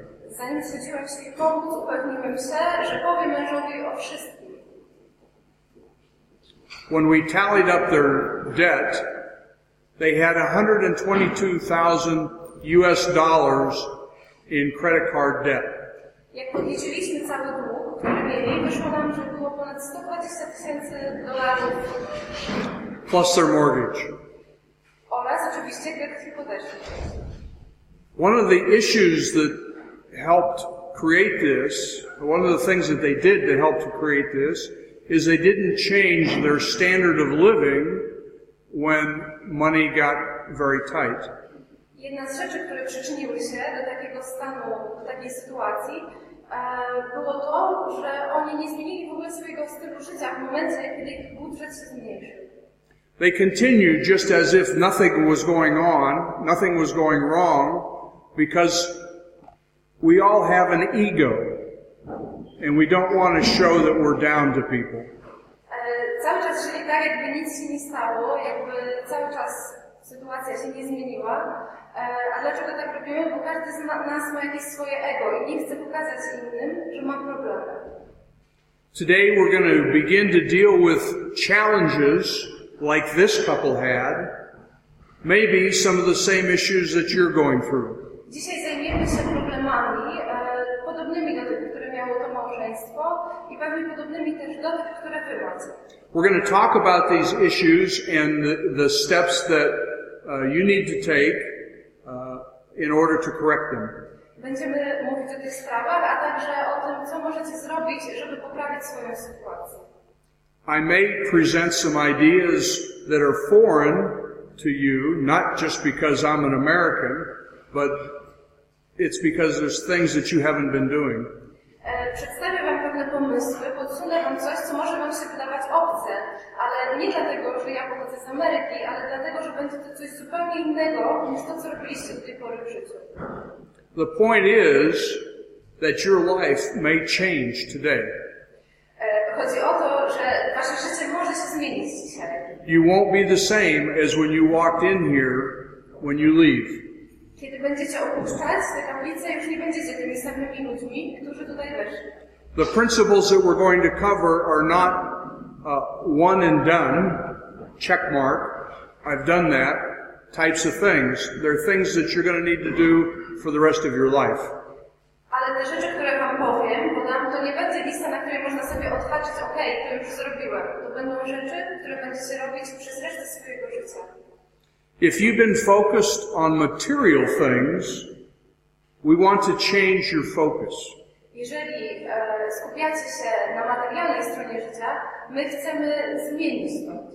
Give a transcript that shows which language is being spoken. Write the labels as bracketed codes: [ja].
[pl] Zanim zgodziłam się jej pomóc, upewniłem się, że powiem mężowi o wszystkim. [en] When we tallied up their debt, they had $122,000 in credit card debt. [pl] Jak podliczyliśmy cały dług, który mieli, wyszło nam, że było ponad 120 tysięcy dolarów. [en] Plus their mortgage. [pl] Oraz oczywiście kredyt hipoteczny. [en] One of the issues that helped create this, one of the things that they did to help to create this, is they didn't change their standard of living when money got very tight. [pl] Jedna z rzeczy, które przyczyniły się do takiego stanu, do takiej sytuacji, było to, że oni nie zmienili w ogóle swojego stylu życia w momencie, kiedy ich budżet się zmniejszył. [en] They continued just as if nothing was going on, nothing was going wrong, because we all have an ego, and we don't want to show that we're down to people. [pl] Cały czas żyli tak, jakby nic się nie stało, jakby cały czas sytuacja się nie zmieniła. A dlaczego tak robimy? Bo każdy z nas ma jakieś swoje ego i nie chce pokazać innym, że ma problemy. [en] Today we're going to begin to deal with challenges like this couple had, maybe some of the same issues that you're going through. [pl] Dzisiaj zajmiemy się problemami podobnymi do tych, które miało to małżeństwo i pewnie podobnymi też do tych, które wy macie. [en] We're going to talk about these issues and the steps that you need to take in order to correct them. [pl] Będziemy mówić o tych sprawach, a także o tym, co możecie zrobić, żeby poprawić swoją sytuację. [en] I may present some ideas that are foreign to you, not just because I'm an American, but it's because there's things that you haven't been doing. [pl] Przedstawię wam pewne pomysły, podsunę wam coś, co może wam się wydawać obce, ale nie dlatego, że ja pochodzę z Ameryki, ale dlatego, że będzie to coś zupełnie innego niż to, co robiliście do tej pory w życiu. [en] The point is that your life may change today. [pl] Chodzi o to, że wasze życie może się zmienić dzisiaj. [en] You won't be the same as when you walked in here when you leave. [pl] Kiedy będziecie opuszczać tę kaplicę, już nie będziecie tymi samymi ludźmi, którzy tutaj weszli. [en] The principles that we're going to cover are not one and done, check mark, I've done that, types of things. They're things that you're going to need to do for the rest of your life. [pl] Ale te rzeczy, które wam powiem, bo nam to nie będzie lista, na której można sobie odhaczyć, okej, to już zrobiłem. To będą rzeczy, które będziecie robić przez resztę swojego życia. [en] If you've been focused on material things, we want to change your focus. [pl] Jeżeli skupiacie się na materialnej stronie życia, my chcemy zmienić to.